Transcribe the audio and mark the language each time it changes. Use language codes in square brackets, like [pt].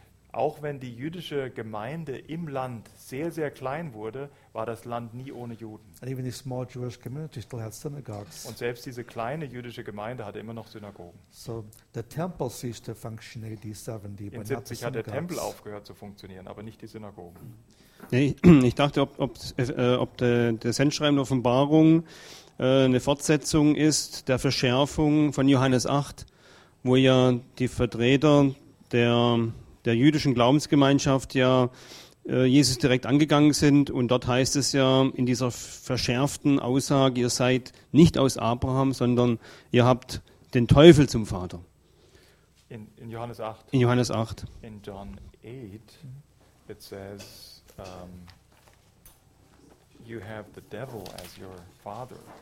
[de] Auch wenn die jüdische Gemeinde im Land sehr, sehr klein wurde, war das Land nie ohne Juden. [en] And even the small Jewish community still had synagogues. [de] Und selbst diese kleine jüdische Gemeinde hatte immer noch Synagogen. [en] So the temple ceased to function AD 70, [de] in 70 hat der Tempel aufgehört zu funktionieren, aber nicht die Synagogen. Nee, ich dachte, ob der Sendschreiben der Offenbarung eine Fortsetzung ist, der Verschärfung von Johannes 8, wo ja die Vertreter der jüdischen Glaubensgemeinschaft ja Jesus direkt angegangen sind, und dort heißt es ja in dieser verschärften Aussage, ihr seid nicht aus Abraham, sondern ihr habt den Teufel zum Vater. In Johannes 8. In Johannes 8. [en] In John 8 it says you have the devil as your father.